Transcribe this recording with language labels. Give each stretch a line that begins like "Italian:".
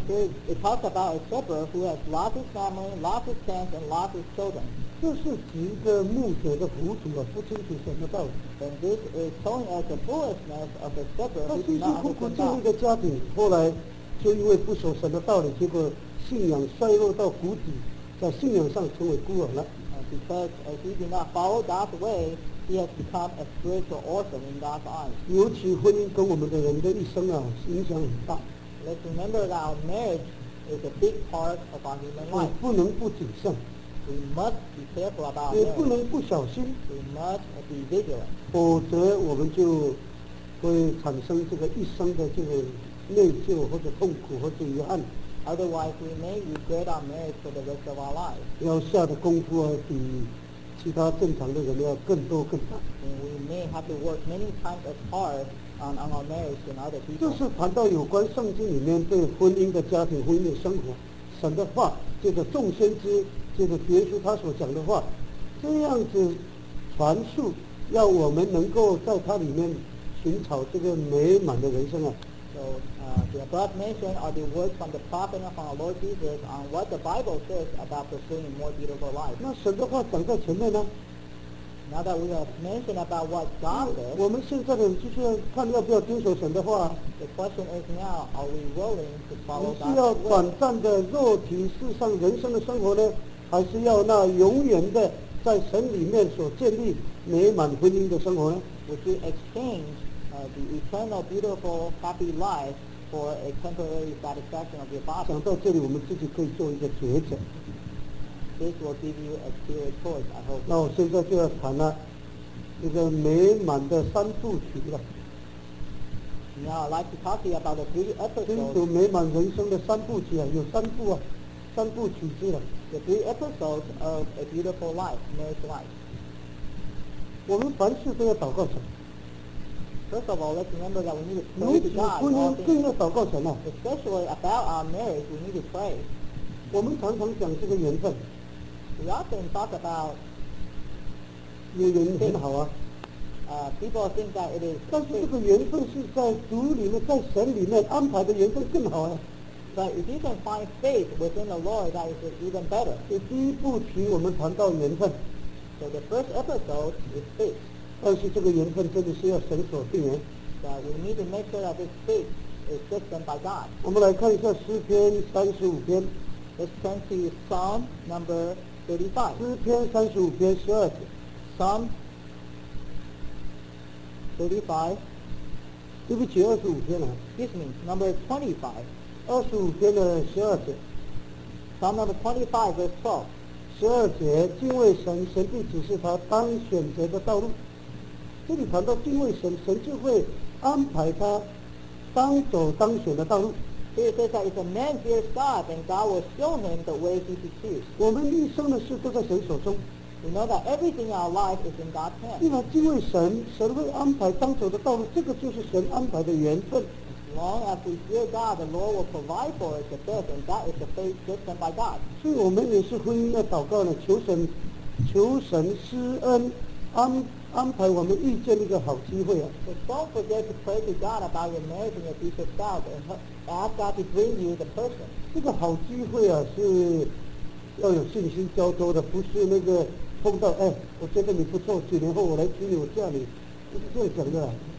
Chinese: 所以
English: it talks about a shepherd who has lost his family, lost his tents, and lost his children.
Chinese: 这是一个牧者的糊涂啊，不清楚什么道理。
English: And this is showing us the foolishness of a shepherd.
Chinese: 他辛辛苦苦建立的家庭，后来就因为不守神的道理，结果信仰衰落到谷底，在信仰上成为孤儿了。
English: Because if he did not follow God's way, he has become a spiritual orphan in God's eyes.
Chinese: 尤其婚姻跟我们的人的一生啊，影响很大。
English: Let's remember that our marriage is a big part of our human life.
Chinese: 不能不谨慎。
English: We must be careful about marriage.
Chinese: 也不能不小心。
English: We must be vigilant.
Chinese: 否则我们就会产生这个一生的这个内疚或者痛苦或者遗憾。
English: Otherwise, we may regret our marriage for the rest of our life.
Chinese: 要下的功夫啊，比其他正常的人要更多更大。
English: We may have to work many times as hard on our marriage than other people.
Chinese: 就是谈到有关圣经里面对婚姻的家庭、婚姻的生活，神的话，这个众先知，这个耶稣他所讲的话，这样子传述，要我们能够在他里面寻找这个美满的人生啊。
English: So, the above mentioned are the words from the prophet of our Lord Jesus on what the Bible says about pursuing a more beautiful life.
Chinese: 那神的话讲在前面呢？
English: Now that we have mentioned about what God says,
Chinese: 我们现在的就是看要不要遵守神的话。
English: The question is now, are we willing to follow God's word?
Chinese: 你是要短暂的肉体世上人生的生活呢，还是要那永远的在神里面所建立美满婚姻的生活呢？
English: Would you exchange the eternal, beautiful, happy life for a temporary satisfaction of your body?
Chinese: 想到这里，我们自己可以做一个抉择。
English: This will give you a clear choice, I hope.
Chinese: 那我现在就要谈了，一个美满的三部曲了。
English: Now I'd like to talk to you about the three episodes.
Chinese: 追求美满人生的三部曲啊，有三部啊，三部曲是了。
English: The three episodes of a beautiful life, marriage life.
Chinese: 我们凡事都要祷告神。
English: First of all, let's remember that we need to pray to God.
Chinese: 婚姻更要祷告神啊。
English: Especially about our marriage, we need to pray.
Chinese: 我们常常讲这个缘分。
English: we often talk about
Chinese: 有缘分好啊,
English: people think that it is
Chinese: 但是这个缘分是在主里面在神里面安排的缘分更好啊,
English: but if you can find faith within the Lord, that is even better.
Chinese: 第一部题我们谈到缘分,
English: so the first episode is faith.
Chinese: 但是这个缘分真的是要神所定缘,
English: so we need to make sure that this faith is given by God.
Chinese: 我们来看一下诗篇35篇,
English: let's turn to Psalm number 35.
Chinese: 诗篇35篇12节,
English: Psalm 35,
Chinese: 对不起, 25篇啊,
English: excuse me, number 25,
Chinese: 25篇的12节,
English: Psalm number 25 verse 12,
Chinese: 12节, 敬畏神, 神必指示他当选择的道路, 这里谈到敬畏神, 神就会安排他 当走当选的道路。
English: It says that if a man fears God, then God will show him the way he should choose.
Chinese: 我们一生的事都在神手中。
English: We know that everything in our life is in God's hands.
Chinese: 因为敬畏神, 神会安排当走的道路, 这个就是神安排的缘分。
English: As long as we fear God, the Lord will provide for us the best, and that is the faith given by God.
Chinese: 所以我们也是婚姻的祷告呢, 求神施恩, 安排我们遇见一个好机会啊,
English: so don't forget to pray to God about your marriage and your future spouse and ask God to bring you the person.
Chinese: 这个好机会啊, 是要有信心交托的, 不是那个碰到, 哎, 我觉得你不错, 几年后我来娶你, 我嫁你, 不是这样讲的啊,